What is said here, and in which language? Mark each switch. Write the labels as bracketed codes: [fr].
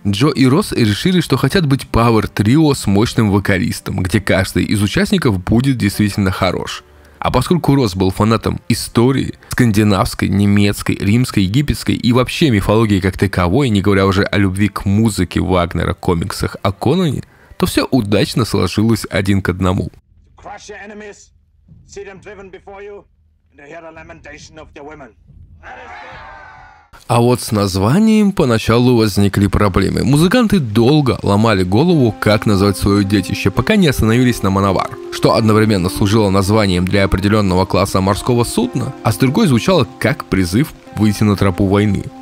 [ru] Джо и Росс решили, что хотят быть пауэр-трио с мощным вокалистом, где каждый из участников будет действительно хорош. А поскольку Росс был фанатом истории, скандинавской, немецкой, римской, египетской и вообще мифологии как таковой, не говоря уже о любви к музыке Вагнера, комиксах, о Конане, то все удачно сложилось один к одному. [en] Crush your enemies, see them driven before you, and hear the lamentation of the women. [ru] А вот с названием поначалу возникли проблемы. Музыканты долго ломали голову, как назвать свое детище, пока не остановились на Мановар, что одновременно служило названием для определенного класса морского судна, а с другой звучало как призыв выйти на тропу войны.